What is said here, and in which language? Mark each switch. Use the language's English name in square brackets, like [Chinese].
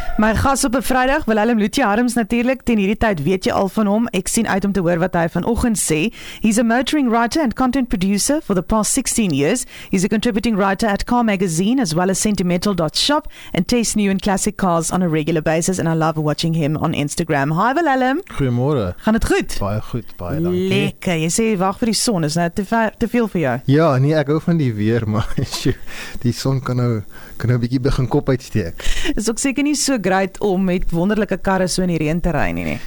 [Afrikaans] My gas op 'n Vrydag, Wilhelm Lutjeharms natuurlik, ten hierdie tyd weet jy al van hom. Ek sien uit om te hoor wat hy vanoggend sê. [English] He's a motoring writer and content producer for the past 16 years. He's a contributing writer at Car Magazine as well as Sentimental.shop and tastes new and classic cars on a regular basis and I love watching him on Instagram. Hi Wilhelm. [Afrikaans] Goeiemôre. Gaan dit goed? Baie goed, baie dankie. Lekker. Jy sê wag vir die son, is nou te veel vir jou? Ja, nee, ek hou van die weer, maar die son kan nou 'n bietjie begin kop uitsteek. Is ook seker nie so great om met wonderlike karre so in die reën te ry nie.